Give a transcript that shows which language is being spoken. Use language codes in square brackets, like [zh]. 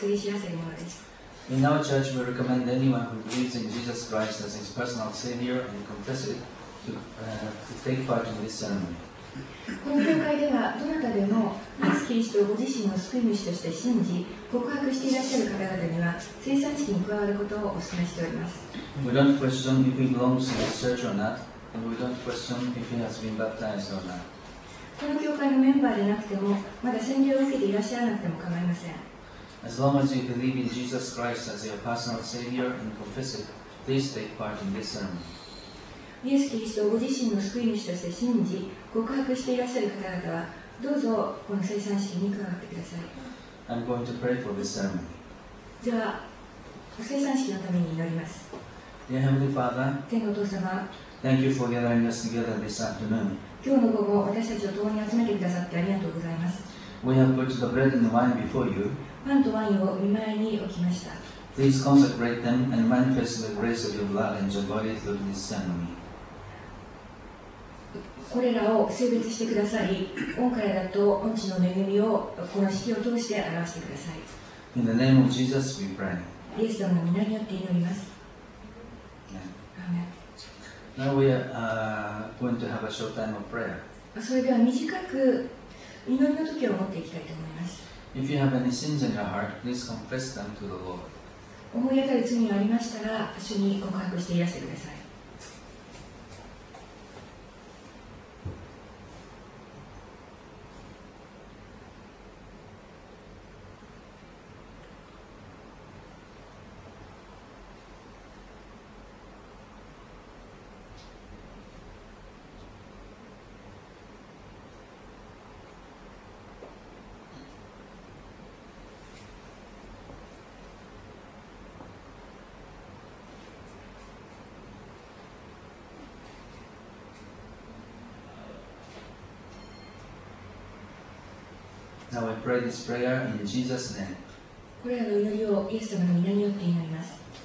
[en] In our church, we recommend anyone who believes in Jesus Christ as his personal Savior and confesses it to take part in this ceremony. [ja] この教会ではどなたでもイエス・キリストをご自身の救い主として信じ告白していらっしゃる方々には聖餐式に加わることをお勧めしております。 [en] We don't question if he belongs to this church or not, and we don't question if he has been baptized or not. [ja] この教会のメンバーでなくてもまだ洗礼を受けていらっしゃらなくても構いません。 [en] As long as you believe in Jesus Christ as your personal Savior and confess it, please take part in this ceremony. [ja] イエス・キリストをご自身の救い主として信じ告白していらっしゃる方々はどうぞこの聖餐式に加わってください。 [en] I'm going to pray for this ceremony. [ja] じゃあお聖餐式のために祈ります。 [en] Dear Heavenly Father, [ja] 天のお父様、 [en] Thank you for gathering us together this afternoon. [ja] 今日の午後私たちを共に集めてくださってありがとうございます。 [en] We have put the bread and the wine before you. [ja] パンとワインを御前に置きました。 [en] Please consecrate them and manifest the grace of your blood and your body through this ceremony. [ja] これらを聖別してください。御体と御血の恵みをこの式を通して表してください。 [en] In the name of Jesus we pray. [ja] イエス様の御名によって祈ります。 [en] Amen. Now we are going to have a short time of prayer. [ja] それでは短く祈りの時を持っていきたいと思います。 [en] If you have any sins in your heart, please confess them to the Lord. [ja] 思い当たる罪がありましたら主に告白していらしてください。 [en] Now I pray this prayer in Jesus' name. [ja] これらの祈りをイエス様の御名によって祈ります。